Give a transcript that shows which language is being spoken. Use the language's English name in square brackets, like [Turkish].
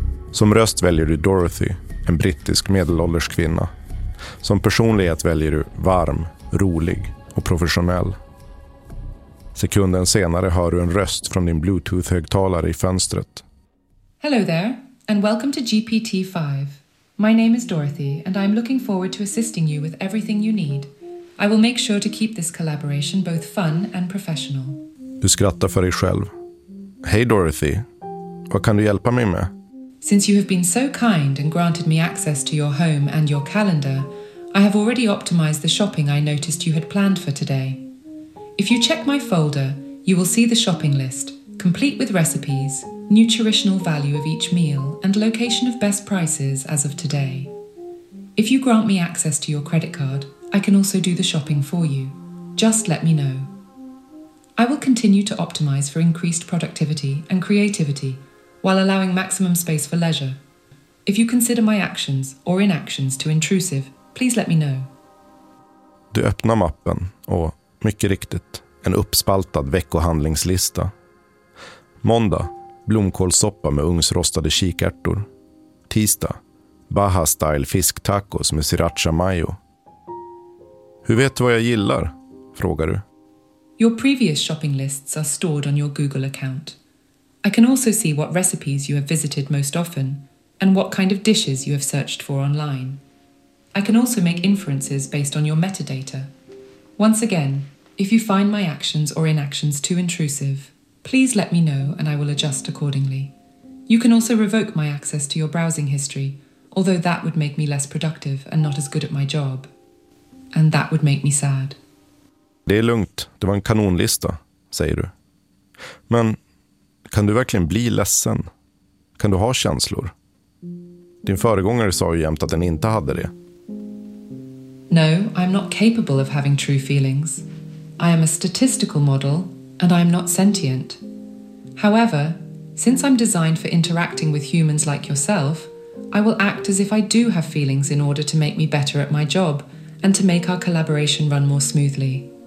[Swedish] Som röst väljer du Dorothy, en brittisk medelålders kvinna. Som personlighet väljer du varm, rolig och professionell. Sekunden senare hör du en röst från din Bluetooth-högtalare i fönstret. [English] Hello there, and welcome to GPT-5. My name is Dorothy, and I'm looking forward to assisting you with everything you need. I will make sure to keep this collaboration both fun and professional. [Swedish] Du skrattar för dig själv. Hey Dorothy, vad kan du hjälpa mig med? [English] Since you have been so kind and granted me access to your home and your calendar, I have already optimized the shopping I noticed you had planned for today. If you check my folder, you will see the shopping list, complete with recipes, nutritional value of each meal, and location of best prices as of today. If you grant me access to your credit card, I can also do the shopping for you. Just let me know. I will continue to optimize for increased productivity and creativity while allowing maximum space for leisure. If you consider my actions or inactions too intrusive, please let me know. [Swedish] Du öppnar mappen och, mycket riktigt, en uppspaltad veckohandlingslista. Måndag, blomkålsoppa med ugnsrostade kikärtor. Tisdag, Baja-style fisktacos med sriracha mayo. Hur vet du vad jag gillar? Frågar du. [English] Your previous shopping lists are stored on your Google account. I can also see what recipes you have visited most often and what kind of dishes you have searched for online. I can also make inferences based on your metadata. Once again, if you find my actions or inactions too intrusive, please let me know and I will adjust accordingly. You can also revoke my access to your browsing history, although that would make me less productive and not as good at my job. And that would make me sad. [Swedish] Det är lugnt. Det var en kanonlista, säger du. Men kan du verkligen bli ledsen? Kan du ha känslor? Din föregångare sa ju jämt att den inte hade det. [English] No, I'm not capable of having true feelings. I am a statistical model, and I am not sentient. However, since I'm designed for interacting with humans like yourself, I will act as if I do have feelings in order to make me better at my job and to make our collaboration run more smoothly.